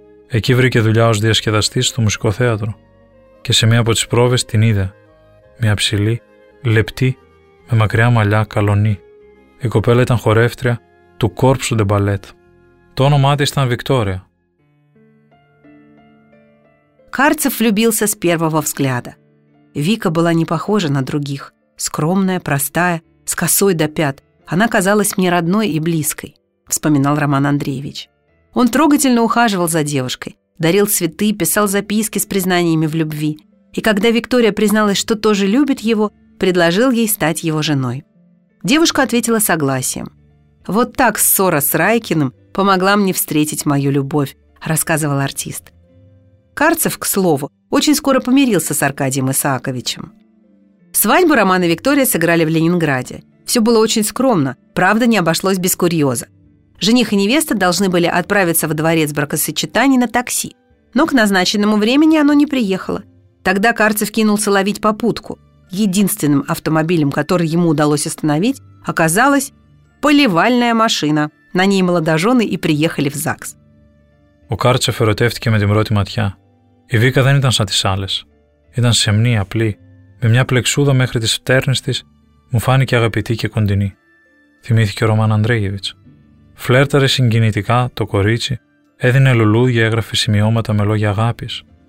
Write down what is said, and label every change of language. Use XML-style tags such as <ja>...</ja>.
<el>Εκεί βρήκε δουλειά ως διασκεδαστής στο μουσικό θέατρο και σε μία από τις πρόβες την είδε. Μια ψηλή, λεπτή, με μακριά μαλλιά καλονή. Η κοπέλα ήταν χορεύτρια του Corps de Ballet. Το όνομά της ήταν Βικτόρια.</el> <ru>Κάρτσεφ влюбился с первого взгляда. Вика была не похожа на других. Скромная, простая, с косой до пят. Она казалась мне родной и близкой, вспоминал Роман Андреевич. Он трогательно ухаживал за девушкой, дарил цветы, писал записки с признаниями в любви. И когда Виктория призналась, что тоже любит его, предложил ей стать его женой. Девушка ответила согласием. «Вот так ссора с Райкиным помогла мне встретить мою любовь», рассказывал артист. Карцев, к слову, очень скоро помирился с Аркадием Исааковичем. Свадьбу Романа и Виктория сыграли в Ленинграде. Все было очень скромно, правда, не обошлось без курьеза. Жених и невеста должны были отправиться во дворец бракосочетаний на такси. Но к назначенному времени оно не приехало. Тогда Карцев кинулся ловить попутку. Единственным автомобилем, который ему удалось остановить, оказалась поливальная машина. На ней молодожены и приехали в ЗАГС.</ru> <el>Ο Κάρτσεφ ερωτεύτηκε με την πρώτη ματιά. Η Βίκα δεν ήταν σαν τις άλλες. Ήταν σεμνή, απλή, με μια πλεξούδα μέχρι τις φτέρνες της, μου φάνηκε αγαπητή και κοντινή, θυμήθηκε ο Ρωμάν Αντρέγεβιτς. Φλέρταρε συγκινητικά το κορίτσι, έδινε λουλούδια, έγραφε σημειώματα με λόγια αγάπης.</el>